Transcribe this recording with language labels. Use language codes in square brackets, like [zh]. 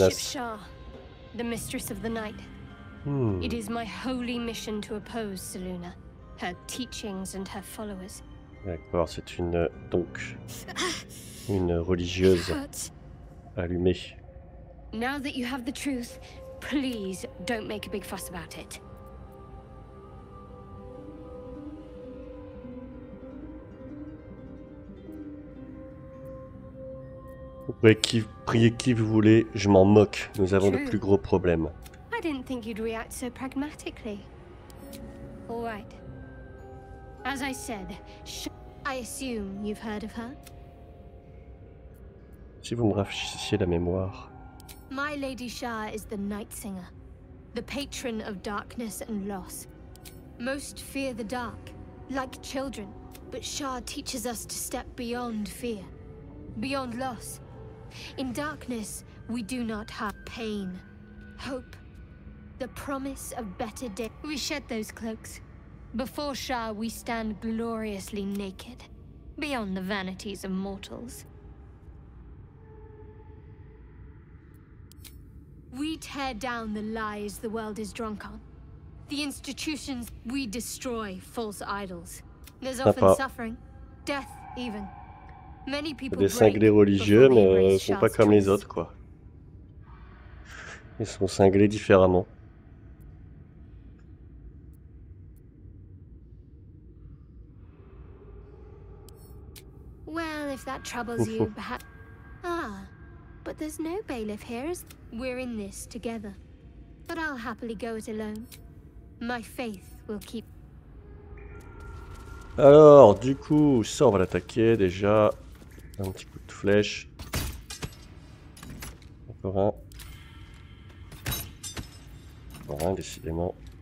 [en] I worship Shah, the mistress of the night. It is my holy mission to oppose Saluna, her teachings and her followers. [fr] D'accord, c'est une donc une religieuse allumée. [en] Now that you have the truth, please don't make a big fuss about it. [fr] Vous pouvez qui, prier qui vous voulez, je m'en moque. Nous avons de plus gros problèmes. [en] I didn't think you'd react so pragmatically. All right. As I said, I assume you've heard of her. [fr] Si vous me rafraîchissiez la mémoire. [en] My Lady Shah is the Night Singer, the patron of darkness and loss. Most fear the dark, like children, but Shah teaches us to step beyond fear, beyond loss. In darkness, we do not have pain, hope, the promise of better day. We shed those cloaks. Before Shah, we stand gloriously naked, beyond the vanities of mortals. We tear down the lies the world is drunk on. The institutions, we destroy false idols. There's often suffering, death even. Many people [fr] des cinglés religieux, mais ils sont pas comme les autres, quoi. Ils sont cinglés différemment. [en] Well, if that troubles you, perhaps. Ah, but there's no bailiff here, is we're in this together. But I'll happily go it alone. My faith will keep. [fr] Alors, du coup, ça, on va l'attaquer déjà. Un petit coup de flèche. Encore un. Encore un, décidément.